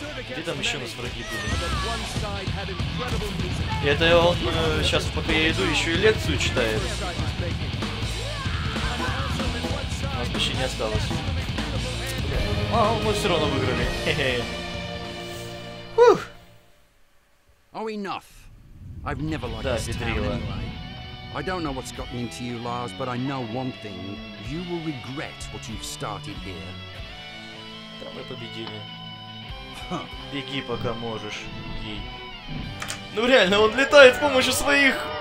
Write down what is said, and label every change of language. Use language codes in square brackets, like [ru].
[ru] Где там еще у нас враги были? И это он сейчас, пока я иду, еще и лекцию читает. У нас почти не осталось. А, мы все равно выиграли. [en] Oh, enough. I've never liked this town. I don't know what's gotten into you, Lars, but I know one thing. You will regret what you've started here. [ru] Да, мы победили. Беги, пока можешь. Беги. Ну реально, он летает с помощью своих